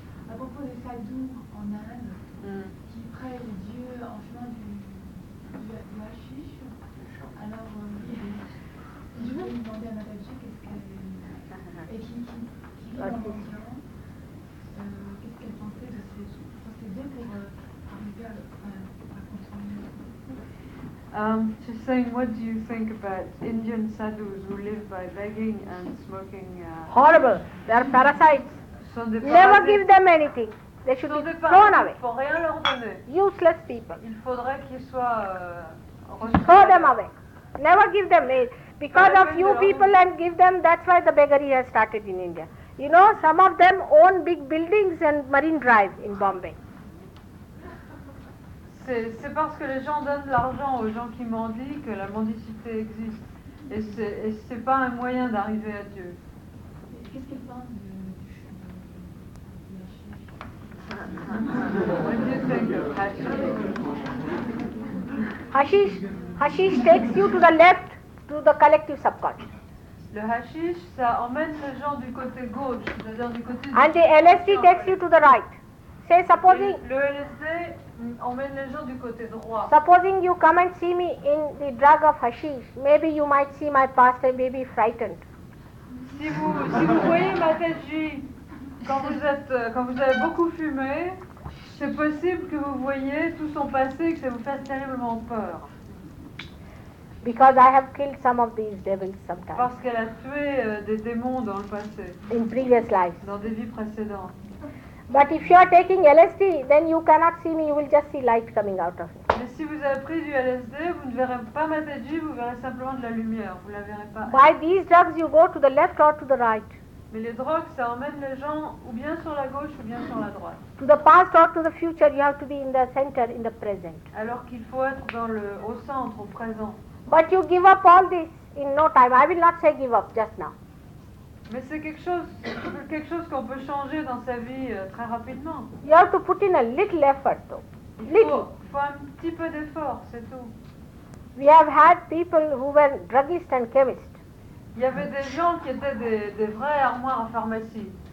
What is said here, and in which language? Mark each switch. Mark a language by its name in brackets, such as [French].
[French] À propos des sadhus en Inde qui prennent les dieux en chemin du hashish, alors je voulais demander à Mataji qu'est-ce qu'elle et qui vit dans l'océan, qu'est-ce qu'elle pensait de ces procédés pour arriver à contourner. [English] She's saying, what do you think about Indian sadhus who live by begging and smoking? Horrible! They are parasites! Never give them anything. They should be thrown away. [French] Pour rien leur donner. [English] Useless people. [French] Il faudrait qu'ils soient [English] throw them away. Never give them aid. Because of you people and give them, that's why the beggary has started in India. You know, some of them own big buildings and Marine Drive in Bombay. [French] C'est parce que les gens donnent de l'argent aux gens qui mendient que la mendicité existe. Et c'est pas un moyen d'arriver à Dieu. Qu'est-ce qu'ils pensent? [English] What do you think of hashish? Hashish takes you to the left, to the collective subconscious. [French] Le hashish, ça emmène les gens du côté gauche, c'est-à-dire du côté. [English] And the LSD takes you to the right. Say, supposing. [French] Le LSD emmène les gens du côté droit. [English] Supposing you come and see me in the drug of hashish, maybe you might see my past and may be frightened. [French] Si vous voyez ma tête. Quand vous avez beaucoup fumé, c'est possible que vous voyez tout son passé et que ça vous fasse terriblement peur. [English] Because I have killed some of these devils sometimes. [French] Parce qu'elle a tué des démons dans le passé. [English] In previous lives. [French] Dans des vies précédentes. [English] But if you are taking LSD, then you cannot see me. You will just see light coming out of it. [French] Mais si vous avez pris du LSD, vous ne verrez pas Mataji, vous verrez simplement de la lumière. Vous la verrez pas. [English] By these drugs, you go to the left or to the right. [French] Mais les drogues, ça emmène les gens ou bien sur la gauche ou bien sur la droite. [English] To the past or to the future, you have to be in the center, in the present. [French] Alors qu'il faut être au centre, au présent. [English] But you give up all this in no time. I will not say give up just now. [French] Mais c'est quelque chose qu'on peut changer dans sa vie très rapidement. [English] You have to put in a little effort though. [French] Il faut un petit peu d'effort, c'est tout. [English] We have had people who were druggists and chemists. [French] Il y avait des gens qui étaient des vrais armoires en pharmacie.